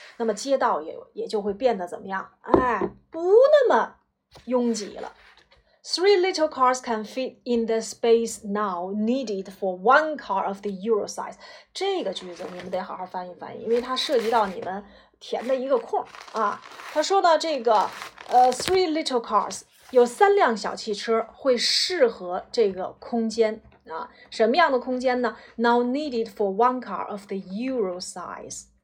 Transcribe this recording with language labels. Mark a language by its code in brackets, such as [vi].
[zh] 那么街道也就会变得怎么样哎不那么拥挤了。 [en] Three little cars can fit in the space now needed for one car of the Euro size. [zh] 这个句子你们得好好翻译翻译，因为它涉及到你们填的一个空啊。他说呢，这个 [en] three little cars [zh] 有三辆小汽车会适合这个空间啊。什么样的空间呢 [en] ？Now needed for one car of the Euro size.